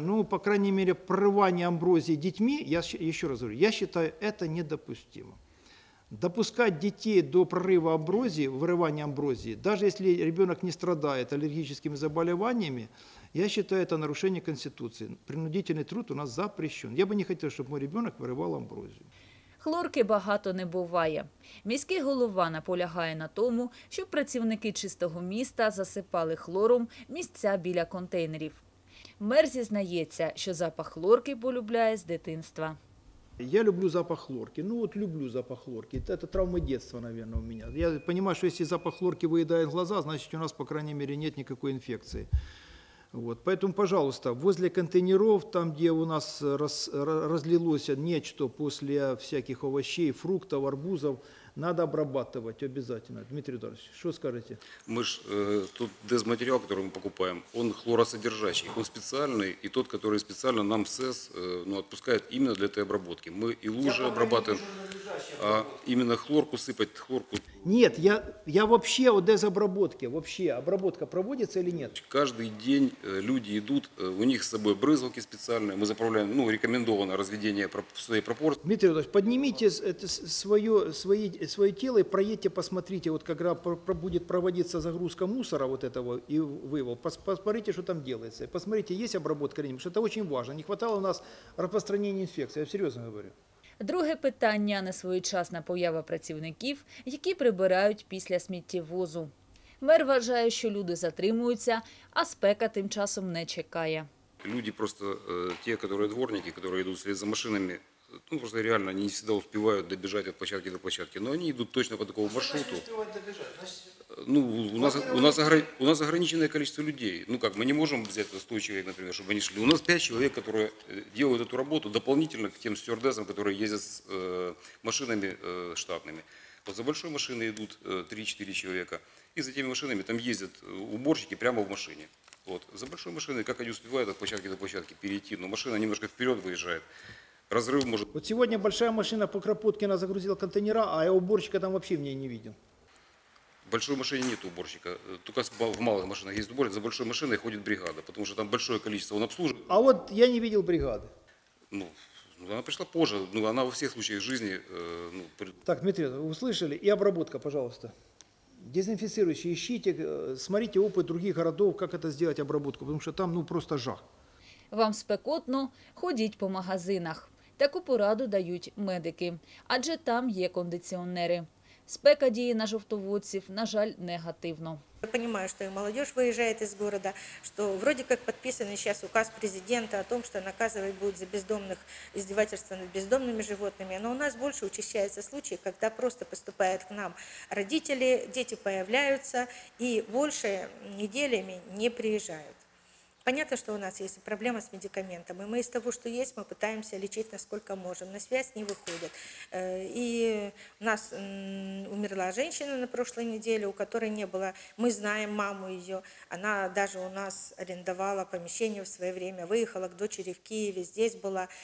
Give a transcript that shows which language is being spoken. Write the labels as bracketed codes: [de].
[ru] Ну, по крайней мере, прорывание амброзии детьми, я еще раз говорю, я считаю, это недопустимо. Допускать детей до прорыва амброзии, вырывания амброзии, даже если ребенок не страдает аллергическими заболеваниями, я считаю, это нарушение Конституции. Принудительный труд у нас запрещен. Я бы не хотел, чтобы мой ребенок вырывал амброзию. [uk] Хлорки багато не буває. Міський голова наполягає на тому, щоб працівники чистого міста засипали хлором місця біля контейнерів. Мер зізнається, що запах хлорки полюбляє з дитинства. [ru] Я люблю запах хлорки. Ну вот люблю запах хлорки. Это травма детства, наверное, у меня. Я понимаю, что если запах хлорки выедает глаза, значит, у нас, по крайней мере, нет никакой инфекции. Вот. Поэтому, пожалуйста, возле контейнеров, там, где у нас разлилось нечто после всяких овощей, фруктов, арбузов, надо обрабатывать обязательно. Дмитрий Эдуардович, что скажете? Мы же тот дезматериал, который мы покупаем, он хлоросодержащий. Он специальный, и тот, который специально нам в СЭС отпускает именно для этой обработки. Мы и лужи я обрабатываем, а именно хлорку сыпать, хлорку... Нет, я вообще о дезобработке. Вообще, обработка проводится или нет? Каждый день люди идут, у них с собой брызгалки специальные. Мы заправляем, ну, рекомендовано разведение своей пропорции. Дмитрий Эдуардович, поднимите свое тело и проедьте, посмотрите, вот когда будет проводиться загрузка мусора вот этого и вывал, посмотрите, что там делается, посмотрите, есть обработка или нет, что это очень важно, не хватало у нас распространения инфекции, я серьезно говорю. [uk] Друге питання – несвоєчасна поява працівників, які прибирають після сміттєвозу. Мер вважає, що люди затримуються, а спека тим часом не чекає. Люди просто, ті, які дворники, які йдуть за машинами, [ru] Ну, просто реально они не всегда успевают добежать от площадки до площадки. Но они идут точно по такому маршруту. Что значит успевать добежать? Ну, у нас ограниченное количество людей. Ну как, мы не можем взять 100 человек, например, чтобы они шли. У нас 5 человек, которые делают эту работу дополнительно к тем стюардессам, которые ездят с машинами штатными. Вот за большой машиной идут 3-4 человека. И за теми машинами там ездят уборщики прямо в машине. Вот. За большой машиной, как они успевают от площадки до площадки перейти, но машина немножко вперед выезжает. Разрыв может... Вот сегодня большая машина по Кропоткина загрузила контейнера, а я уборщика там вообще в ней не видел. В большой машине нет уборщика, только в малых машинах есть уборщик, за большой машиной ходит бригада, потому что там большое количество, он обслуживает. А вот я не видел бригады. Ну, она пришла позже, но она во всех случаях жизни... Так, Дмитрий, услышали? И обработка, пожалуйста. Дезинфицирующие, ищите, смотрите опыт других городов, как это сделать, обработку, потому что там просто жах. [uk] Вам спекотно, ходіть по магазинах. Таку пораду дають медики, адже там є кондиціонери. Спека діє на жовтоводців, на жаль, негативно. Я розумію, що і молодіж виїжджає з міста, що вроді як підписаний зараз указ президента про те, що наказувати будуть за бездомних і здивательство [ru] над бездомними животними. [uk] Але у нас більше учащається случаї, коли просто поступають к нам родителі, діти появляються і більше неділями не приїжджають. [ru] Понятно, что у нас есть проблема с медикаментом, и мы из того, что есть, мы пытаемся лечить, насколько можем. На связь не выходит. И у нас умерла женщина на прошлой неделе, у которой не было. Мы знаем маму ее. Она даже у нас арендовала помещение в свое время, выехала к дочери в Киеве, здесь была.